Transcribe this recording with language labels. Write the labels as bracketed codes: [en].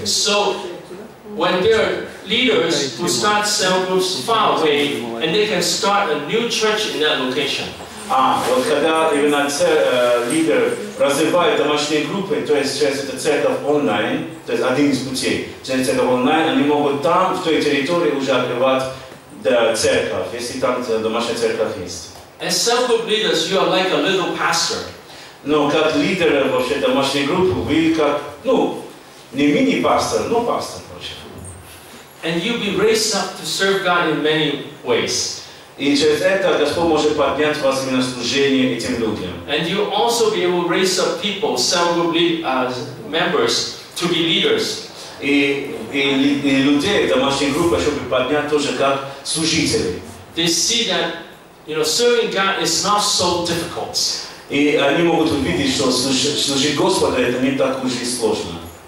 [en] So when there are leaders who start cell groups far away, and they can start a new church in that location. [ru] Вот когда именно лидер развивает домашние группы, то есть через эту церковь онлайн, то есть один из путей, через церковь онлайн, они могут там, в той территории, уже открывать церковь, если там домашняя церковь есть. [en] As cell group leaders, you are like a little pastor. [ru] Но как лидер вообще домашней группы, вы как, ну, не мини-пастор, но пастор вообще. [en] And you'll be raised up to serve God in many ways. [ru] И через это Господь может поднять вас именно служение этим людям. [en] And you also be able to raise up people, cell group members, to be leaders. [ru] И и людей в домашней группе, чтобы поднять тоже как служителей. [en] They see that, you know, serving God is not so difficult. [ru] И они могут увидеть, что служить Господу это не так уж и сложно.